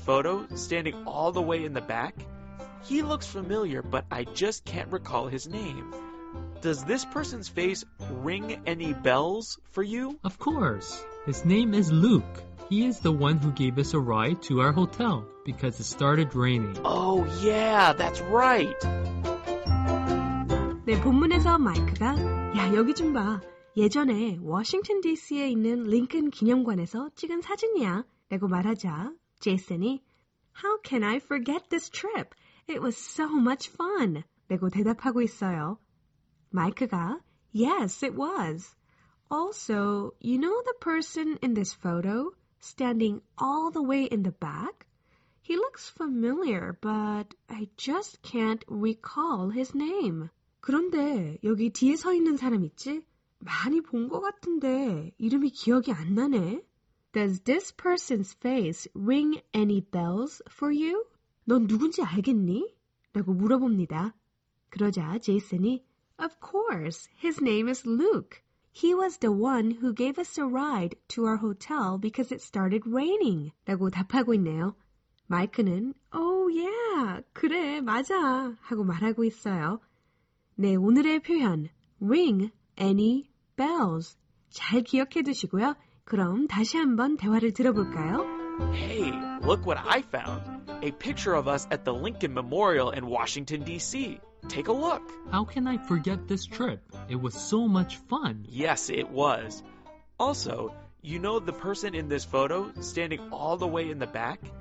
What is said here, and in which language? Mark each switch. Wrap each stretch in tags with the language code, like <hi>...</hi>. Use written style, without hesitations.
<en>Have you ever heard people say, does this ring a bell? Well, we're going to find out what that means. Ring any bells? But first, let's listen to today's conversation. Hey, look what I found, a picture of us at the Lincoln Memorial in Washington, D.C. Take a look. How can I forget this trip? It was so much fun. Yes, it was. Also, you know the person in this photo standing all the way in the back? He looks familiar, but I just can't recall his name. Does this person's face ring any bells for you? Of course. His name is Luke. He is the one who gave us a ride to our hotel because it started raining. Oh, yeah, that's right.</en> <ko>네, 본문에서 마이크가 야, 여기 좀 봐. 예전에 워싱턴 DC에 있는 링컨 기념관에서 찍은 사진이야. 라고 말하자 제이슨이</ko> <en>How can I forget this trip? It was so much fun.</en> <ko>라고 대답하고 있어요. 마이크가,</ko> <en>Yes, it was. Also, you know the person in this photo standing all the way in the back? He looks familiar, but I just can't recall his name.</en> <ko>그런데 여기 뒤에 서 있는 사람 있지? 많이 본 것 같은데 이름이 기억이 안 나네.</ko> <en>Does this person's face ring any bells for you?</en> <ko>넌 누군지 알겠니? 라고 물어봅니다. 그러자 제이슨이</ko> <en>Of course, his name is Luke. He was the one who gave us a ride to our hotel because it started raining.</en> <ko>라고 답하고 있네요. 마이크는</ko> <en>Oh yeah,</en> <ko>그래, 맞아. 하고 말하고 있어요. 네, 오늘의 표현</ko> <en>Ring any bells.</en> <ko>잘 기억해 두시고요. 그럼 다시 한번 대화를 들어볼까요?</ko> <en>Hey, look what I found. A picture of us at the Lincoln Memorial in Washington, D.C. Take a look. How can I forget this trip? It was so much fun. Yes, it was. Also, you know the person in this photo standing all the way in the back?</en>